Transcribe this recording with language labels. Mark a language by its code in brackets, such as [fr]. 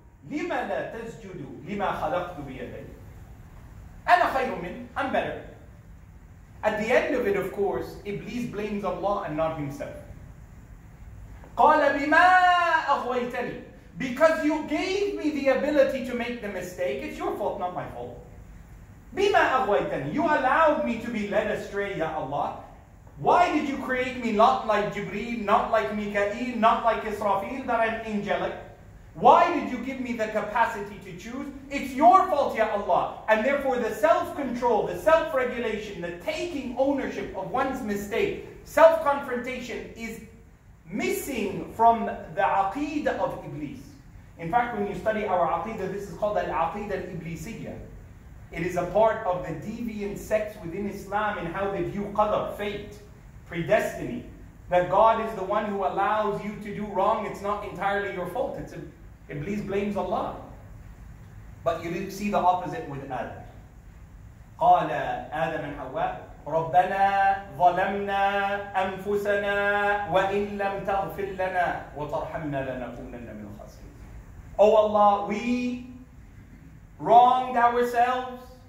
[ar] لِمَ لَا تَسْجُدُ لِمَا خَلَقْتُ بِيَدَيْهِ أَنَا خَيْرٌ مِنْ [en] I'm better. At the end of it, of course, Iblis blames Allah and not himself. [ar] قَالَ بِمَا أَغْوَيْتَنِي [en] Because you gave me the ability to make the mistake, it's your fault, not my fault. [ar] بِمَا أَغْوَيْتَنِي [en] You allowed me to be led astray, Ya Allah. Why did you create me not like Jibreel, not like Mikael, not like Israfil, that I'm angelic? Why did you give me the capacity to choose? It's your fault, Ya Allah. And therefore the self-control, the self-regulation, the taking ownership of one's mistake, self-confrontation is missing from the aqidah of Iblis. In fact, when you study our aqidah, this is called al-aqidah al-iblisiyah. It is a part of the deviant sects within Islam in how they view qadr, fate, predestiny. That God is the one who allows you to do wrong, it's not entirely your fault. Iblis blames Allah. But you see the opposite with Adam. [ar] قَالَ آدَمْ and Hawa, رَبَّنَا ظَلَمْنَا أَنفُسَنَا وَإِن لَمْ تَغْفِرْ لَنَا وَتَرْحَمْنَا لَنَكُونَنَّ مِنْ خَاسِرِينَ [en] Oh Allah, we wronged ourselves.